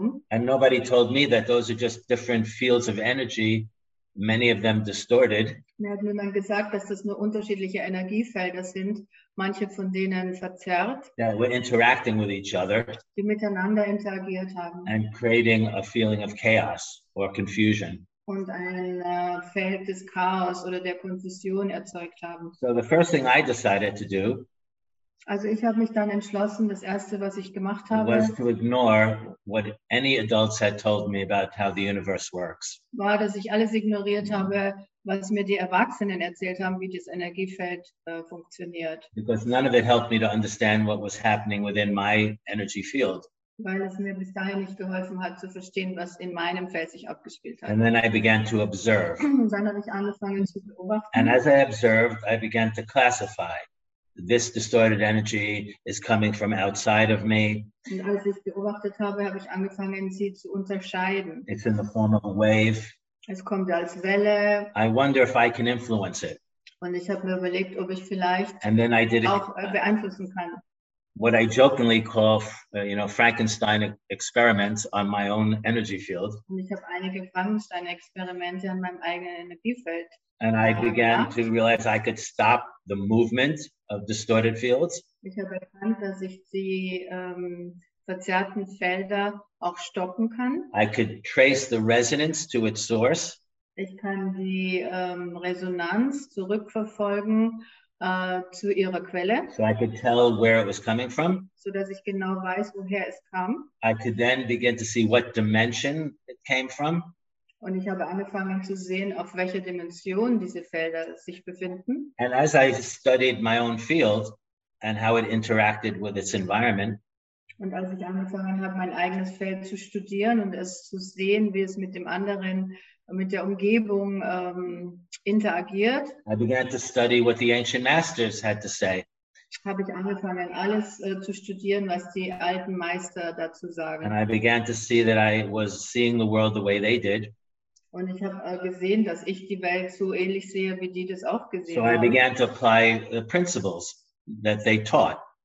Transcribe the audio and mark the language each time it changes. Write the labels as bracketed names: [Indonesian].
[English] And nobody told me that those are just different fields of energy, many of them distorted. [German] Mir hat niemand gesagt, dass das nur unterschiedliche Energiefelder sind, manche von denen verzerrt. [English] That we're interacting with each other. [German] Die miteinander interagiert haben. [English] And creating a feeling of chaos or confusion. [German] Und ein Feld des Chaos oder der Konfusion erzeugt haben. [English] So the first thing I decided to do. [German] Also ich habe mich dann entschlossen, das erste, was ich gemacht habe, [English] was to ignore what any adults had told me about how the universe works. [German] War, dass ich alles ignoriert habe, was mir die Erwachsenen erzählt haben, wie das Energiefeld funktioniert. [English] Because none of it helped me to understand what was happening within my energy field. [German] Weil es mir bis dahin nicht geholfen hat, zu verstehen, was in meinem Feld sich abgespielt hat. [English] And then I began to observe. [German] Und dann habe ich angefangen zu beobachten. [English] And as I observed, I began to classify. This distorted energy is coming from outside of me. [German] Und als ich beobachtet habe, habe ich angefangen, sie zu unterscheiden. [English] It's in the form of a wave. [German] Es kommt als Welle. [English] I wonder if I can influence it. [German] Und ich habe mir überlegt, ob ich vielleicht auch beeinflussen kann. [English] What I jokingly call, you know, Frankenstein experiments on my own energy field. [German] Und ich habe einige Frankenstein-Experimente an meinem eigenen Energiefeld. [English] And I began to realize I could stop the movement of distorted fields. [German] Ich habe erkannt, dass ich die verzerrten Felder auch stoppen kann. [English] I could trace the resonance to its source. [German] Ich kann die Resonanz zurückverfolgen zu ihrer Quelle. [English] So I could tell where it was coming from. [German] So dass ich genau weiß, woher es kam. [English] I could then begin to see what dimension it came from. [German] Und ich habe angefangen zu sehen, auf welcher Dimension diese Felder sich befinden. [English] And as I studied my own field and how it interacted with its environment. [German] Und als ich angefangen habe, mein eigenes Feld zu studieren und es zu sehen, wie es mit dem anderen, mit der Umgebung interagiert. [English] I began to study what the ancient masters had to say. [German] Habe ich angefangen, alles zu studieren, was die alten Meister dazu sagen. [English] And I began to see that I was seeing the world the way they did. [German] Und ich habe gesehen, dass ich die Welt so ähnlich sehe, wie die das auch gesehen haben. [English] So I began to apply the principles that they taught.